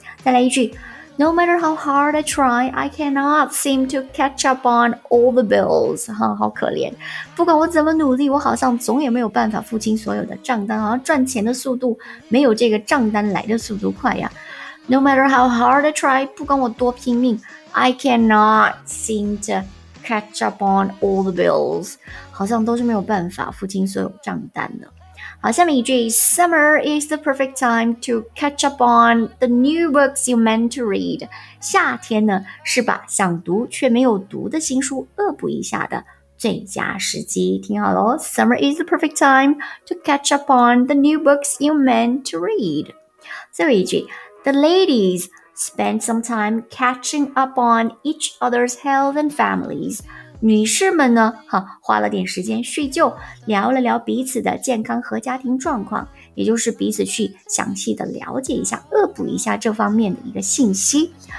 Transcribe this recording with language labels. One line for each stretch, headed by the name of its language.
Chinese: 再来一句
English: No matter how hard I try, I cannot seem to catch up on all the bills.
Chinese: 哈，好可怜。不管我怎么努力，我好像总也没有办法付清所有的账单，好像赚钱的速度没有这个账单来的速度快呀。
English: No matter how hard I try,
Chinese: 不管我多拼命
English: I cannot seem to catch up on all the bills.
Chinese: 好像都是没有办法付清所有账单的。好，下面一句
English: Summer is the perfect time to catch up on the new books you meant to read.
Chinese: 夏天呢是把想读却没有读的新书恶补一下的最佳时机。听好咯
English: Summer is the perfect time to catch up on the new books you meant to read.
Chinese: 最后一句
English: The ladies spend some time catching up on each other's health and families.
Chinese: 女士们呢，哈，花了点时间叙旧，聊了聊彼此的健康和家庭状况，也就是彼此去详细的了解一下，恶补一下这方面的一个信息。